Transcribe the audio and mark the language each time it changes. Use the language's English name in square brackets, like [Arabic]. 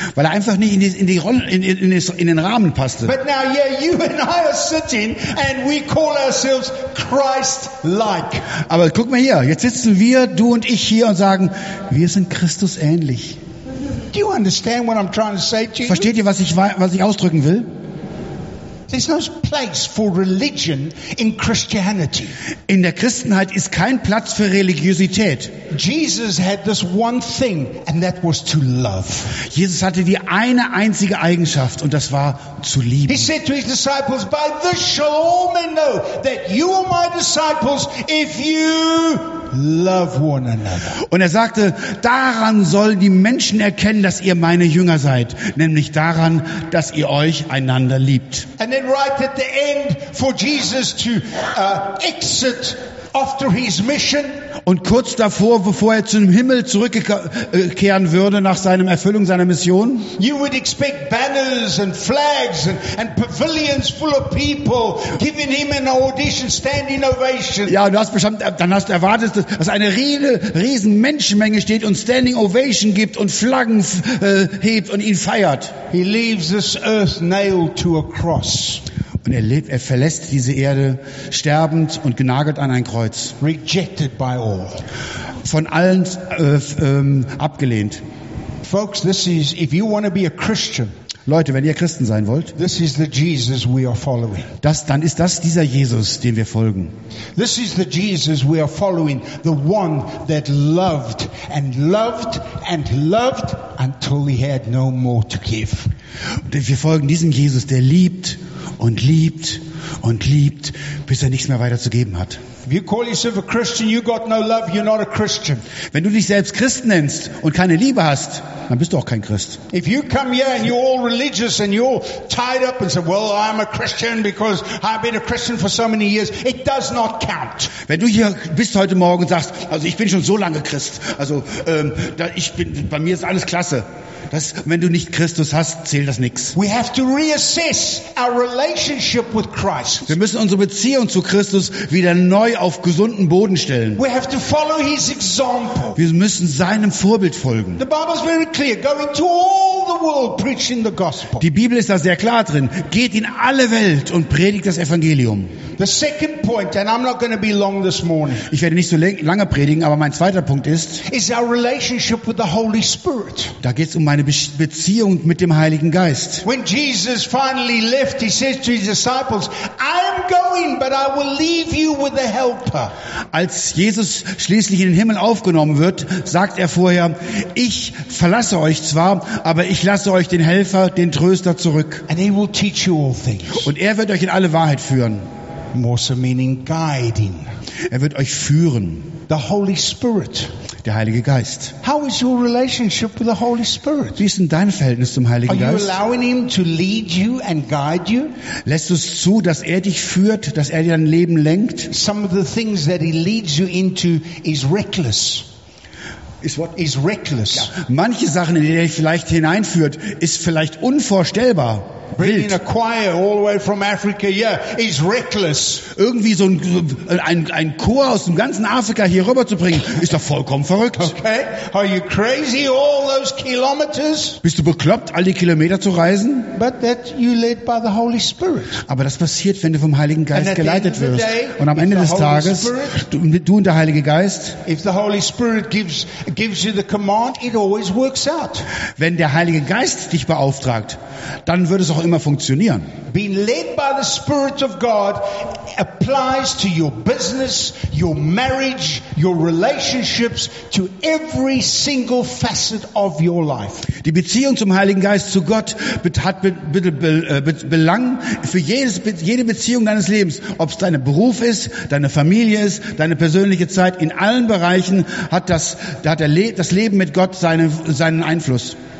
[German] Weil er einfach nicht in die Rolle in den Rahmen passte. [English] But now, yeah, you and I are sitting and we call ourselves Christ-like. [German] Aber guck mal hier, jetzt sitzen wir, du und ich hier und sagen, wir sind Christus ähnlich. [English] Do you understand what I'm trying to say to you? [German] Versteht ihr, was ich ausdrücken will? [English] There's no place for religion in Christianity. [German] In der Christenheit ist kein Platz für Religiosität. [English] Jesus had this one thing, and that was to love. [German] Jesus hatte die eine einzige Eigenschaft, und das war zu lieben. [English] He said to his disciples, "By this shall all men know that you are my disciples if you love one another." [German] Und er sagte, daran sollen die Menschen erkennen, dass ihr meine Jünger seid, nämlich daran, dass ihr euch einander liebt. [English] And then right at the end, for Jesus to exit after his mission. [German] Und kurz davor, bevor er zum Himmel zurückkehren würde nach seinem Erfüllung seiner Mission, [English] you would expect banners and flags and pavilions full of people giving him an audition, standing ovation. [German] Ja, du hast bestimmt, dann hast du erwartet, dass eine riesen Menschenmenge steht und standing ovation gibt und Flaggen hebt und ihn feiert. [English] He leaves this earth nailed to a cross. [German] Und er verlässt diese Erde sterbend und genagelt an ein Kreuz. [English] Rejected by all. [German] Von allen abgelehnt. [English] Folks, this is, if you want to be a Christian, [German] Leute, wenn ihr Christen sein wollt, [English] this is the Jesus we are following. [German] Das, dann ist das dieser Jesus, dem wir folgen. [English] This is the Jesus we are following, the one that loved and loved and loved until he had no more to give. [German] Und wir folgen diesem Jesus, der liebt und liebt und liebt, bis er nichts mehr weiterzugeben hat. [English] If you call yourself a Christian, you got no love, you're not a Christian. [German] Wenn du dich selbst Christ nennst und keine Liebe hast, dann bist du auch kein Christ. [English] If you come here and you're all religious and you're tied up and say, well, I'm a Christian because I've been a Christian for so many years, it does not count. [German] Wenn du hier bist heute Morgen und sagst, also ich bin schon so lange Christ, also bei mir ist alles klasse. Das, wenn du nicht Christus hast, zählt das nichts. [English] We have to reassess our relationship with Christ. [German] Wir müssen unsere Beziehung zu Christus wieder neu auf gesunden Boden stellen. [English] We have to follow his example. [German] Wir müssen seinem Vorbild folgen. [English] The Bible is very clear. Go into all the world preaching the gospel. [German] Die Bibel ist da sehr klar drin. Geht in alle Welt und predigt das Evangelium. [English] The second point, and I'm not going to be long this morning. [German] Ich werde nicht so lange predigen, aber mein zweiter Punkt ist, [English] is our relationship with the Holy Spirit. [German] Da geht's um meine Beziehung mit dem Heiligen Geist. [English] When Jesus finally left, he says to his disciples, I'm going, but I will leave you with a helper. [German] Als Jesus schließlich in den Himmel aufgenommen wird, sagt er vorher, ich verlasse euch zwar, aber ich lasse euch den Helfer, den Tröster zurück. [English] And he will teach you all things. [German] Und er wird euch in alle Wahrheit führen. [English] More so meaning guiding. [German] Er wird euch führen. [English] The Holy Spirit. [German] Der Heilige Geist. [English] How is your relationship with the Holy Spirit? [German] Wie ist denn dein Verhältnis zum Heiligen Geist? [English] Are you allowing him to lead you and guide you? [German] Lässt du es zu, dass er dich führt, dass er dein Leben lenkt? [English] Some of the things that he leads you into is reckless. Is what is reckless? Ja. [German] Manche Sachen, in die er vielleicht hineinführt, ist vielleicht unvorstellbar. [English] Bringing a choir all the way from Africa, yeah, is reckless. [German] Irgendwie so ein Chor aus dem ganzen Afrika hier rüber zu bringen, ist doch vollkommen verrückt. [English] Okay, are you crazy, all those kilometers? [German] Bist du bekloppt, all die Kilometer zu reisen? [English] But that you led by the Holy Spirit. [German] Aber das passiert, wenn du vom Heiligen Geist geleitet wirst. Und am Ende des Tages, du und der Heilige Geist. [English] If the Holy Spirit gives you the command, it always works out. [German] Wenn der Heilige Geist dich beauftragt, dann wird es auch immer funktionieren. [English] Being led by the Spirit of God applies to your business, your marriage, your relationships, to every single facet of your life. [German] Die Beziehung zum Heiligen Geist, zu Gott, hat Belang für jede Beziehung deines Lebens, ob es dein Beruf ist, deine Familie ist, deine persönliche Zeit, in allen Bereichen hat das Leben mit Gott seinen Einfluss.